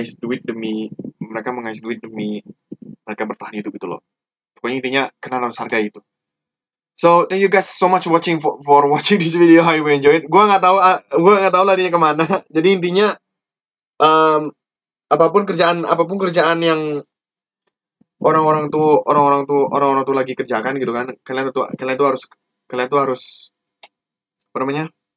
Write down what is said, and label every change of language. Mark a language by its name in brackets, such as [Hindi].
[Indonesian] Mereka mengais duit demi mereka bertahan hidup gitu loh. Pokoknya intinya kalian harus hargai itu. [English] So thank you guys so much for watching this video. How you enjoy it? [Indonesian] Gua nggak tahu larinya kemana. Jadi intinya apapun kerjaan yang orang-orang tuh lagi kerjakan gitu kan, kalian tuh harus apa namanya,